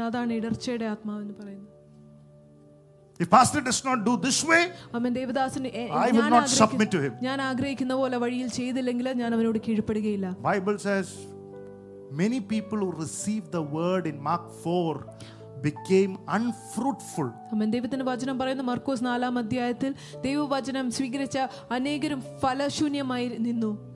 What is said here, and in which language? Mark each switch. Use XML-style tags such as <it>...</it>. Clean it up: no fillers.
<ml>അതാണ് ഇടർച്ചയുടെ ആത്മാവ് എന്ന് പറയുന്നത്.</ml> <en>If pastor does not do this way, amen, devadasan, I will not submit to him.</en> <ml>ഞാൻ ആഗ്രഹിക്കുന്ന പോലെ വഴിയിൽ ചെയ്തില്ലെങ്കിൽ ഞാൻ അവനോട് കീഴ്പ്പെടുകയില്ല.</ml> <en>Bible says many people who received the word in Mark 4 became unfruitful.</en> <ml>അമേൻ. ദൈവത്തിന്റെ വചനം പറയുന്ന മർക്കോസ് 4 അധ്യായത്തിൽ ദൈവവചനം സ്വീകരിച്ച അനേകരും ഫലശൂന്യമായി നിന്നു.</ml>